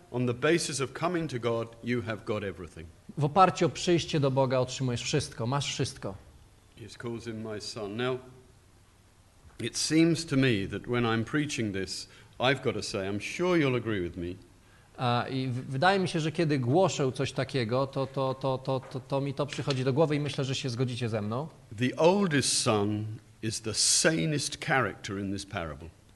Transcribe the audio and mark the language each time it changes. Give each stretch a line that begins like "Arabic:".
English: On the basis of coming to God, you have got everything.
Polish: W oparciu o przyjście do Boga otrzymujesz wszystko, masz wszystko.
English: He's called him my son. Now, it seems to me that when I'm preaching this, I've got to say, I'm sure you'll agree with me.
Polish: I wydaje mi się, że kiedy głoszę coś takiego, to mi to przychodzi do głowy i myślę, że się zgodzicie ze mną.
English: The oldest son is the sanest character in this parable.